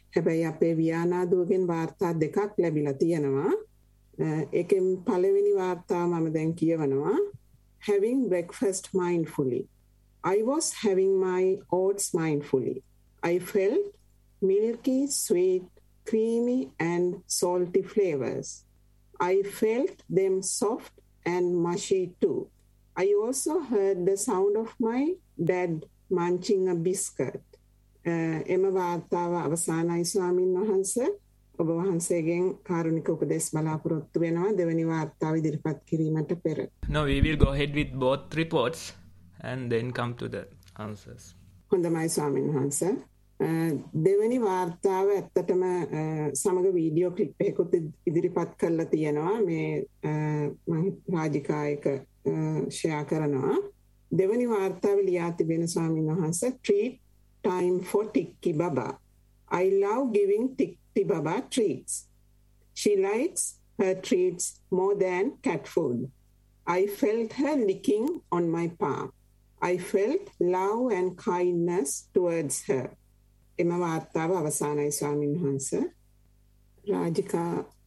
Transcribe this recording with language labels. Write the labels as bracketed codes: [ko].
[si] හැබැයි අපේ වියානාදුවගෙන් වාර්තා දෙකක් ලැබිලා තියෙනවා. ඒකෙන් පළවෙනි වාර්තා මම දැන් කියවනවා. [en] Having breakfast mindfully. I was having my oats mindfully. I felt milky, sweet, creamy and salty flavors. I felt them soft and mushy too. I also heard the sound of my dad munching a biscuit. [si] එම වාර්තාව අවසානයි ස්වාමීන් වහන්ස. ඔබ වහන්සේගෙන් කාරුණික උපදෙස් බලාපොරොත්තු වෙනවා දෙවැනි වාර්තාව ඉදිරිපත් කිරීමට පෙර. [en] No, we will go ahead with both reports and then come to the answers. [si] හොඳයි ස්වාමීන් වහන්ස. දෙවැනි වාර්තාව ඇත්තටම සමග වීඩියෝ ක්ලිප් එකකුත් ඉදිරිපත් කරලා තියෙනවා. මේ රාජිකායක ෂෙයා කරනවා. දෙවැනි වාර්තාව ලියා තිබෙන ස්වාමීන් වහන්ස [en] Treat time for Tikki Baba. I love giving Tikki Baba treats. She likes her treats more than cat food. I felt her licking on my palm. I felt love and kindness towards her. [si] එම වාර්තාව අවසානයි ස්වාමීන් වහන්ස. රාජිකා